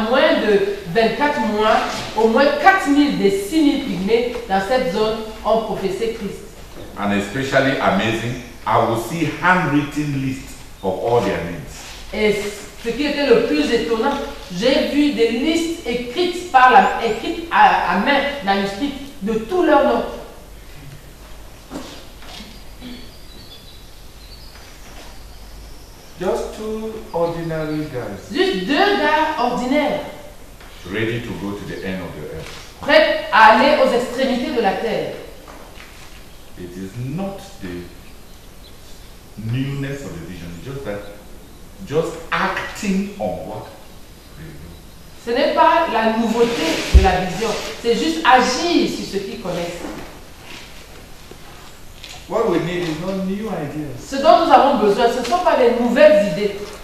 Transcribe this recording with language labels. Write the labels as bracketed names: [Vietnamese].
[French] En moins de 24 mois, au moins 4000 des 6000 pygmées dans cette zone ont professé Christ. [English] And especially amazing, I will see handwritten lists of all their names. [French] Et ce qui était le plus étonnant, j'ai vu des listes écrites à main, manuscrites, de tous leurs noms. [English] Just two ordinary guys. [French] Juste deux gars ordinaires. [English] Ready to go to the end of the earth. [French] Prêt à aller aux extrémités de la terre. [English] It is not the newness of the vision, just that, just acting on what they know. [French] Ce n'est pas la nouveauté de la vision, c'est juste agir sur ce qu'ils connaissent. [English] What we need is not new ideas. [French] Ce dont nous avons besoin, ce ne sont pas des nouvelles idées.